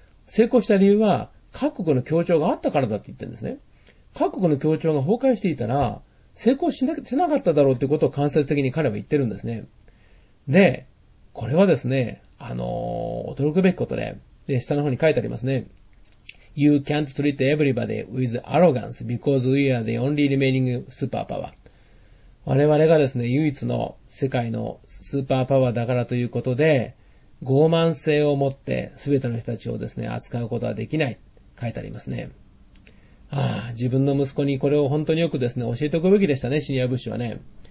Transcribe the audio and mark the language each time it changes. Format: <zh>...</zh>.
<ja>成功した理由は各国の協調があったからだって言ってるんですね。各国の協調が崩壊していたら、成功しなかっただろうってことを間接的に彼は言ってるんですね。で、これはですね、驚くべきことで、で、下の方に書いてありますね。</ja> <en>You can't treat everybody with arrogance because we are the only remaining superpower.</en> <ja>我々がですね、唯一の世界のスーパーパワーだからということで、傲慢性を持って全ての人たちをですね、扱うことはできない。書いてありますね。ああ、自分の息子にこれを本当によくですね、教えておくべきでしたね、シニアブッシュはね。</ja>